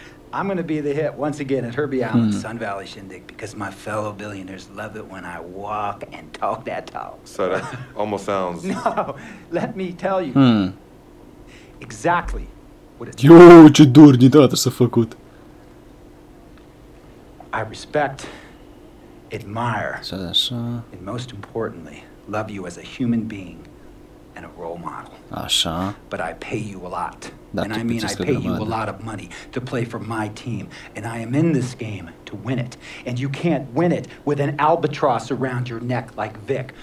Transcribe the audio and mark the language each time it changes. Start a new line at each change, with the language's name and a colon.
English: I'm going to be the hit once again at Herbie Island, Sun Valley Shindig, because my fellow billionaires love it when I walk and talk that talk. So that almost sounds... No, let me tell you exactly what it's...
Romanian: Yo, ce durnitate s-a făcut.
English: I respect, admire, so and most importantly, love you as a human being and a role model.
Romanian: Așa.
English: But I pay you a lot. And I mean, I pay you a lot of money to play for my team. And I am in this game to win it. And you can't win it with an albatross around your neck like Vic.